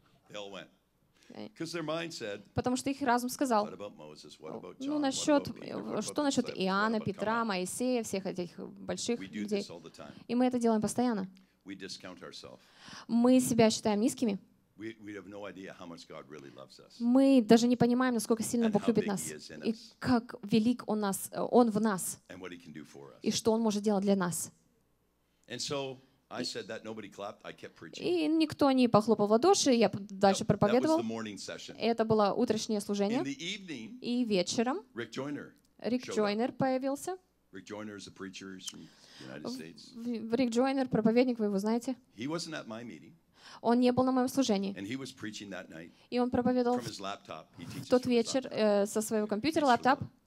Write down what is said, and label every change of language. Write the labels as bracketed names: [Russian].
[English] They all went. Because their mind said. [Russian] Потому что их разум сказал. [English] What about Moses? What about John? [Russian] Ну насчет что насчет Иоанна, Петра, Моисея, всех этих больших людей. [English] We do this all the time. [Russian] И мы это делаем постоянно. [English] We discount ourselves. [Russian] Мы себя считаем низкими. [English] We have no idea how much God really loves us. [Russian] Мы даже не понимаем, насколько сильно Бог любит нас и как велик Он нас, Он в нас и что Он может делать для нас. [English] And so I said that nobody clapped. I kept preaching. [Russian] И никто не похлопал в ладоши, я дальше проповедовал. [English] That was the morning session. [Russian] Это было утреннее служение. [English] In the evening. [Russian] И вечером. [English] Rick Joyner. [Russian] Rick Joyner появился. [English] Rick Joyner is a preacher from the United States. [Russian] Rick Joyner проповедник, вы его знаете? [English] He wasn't at my meeting. [Russian] Он не был на моем служении. [English] And he was preaching that night. [Russian] И он проповедовал тот вечер со своего компьютера, лаптоп.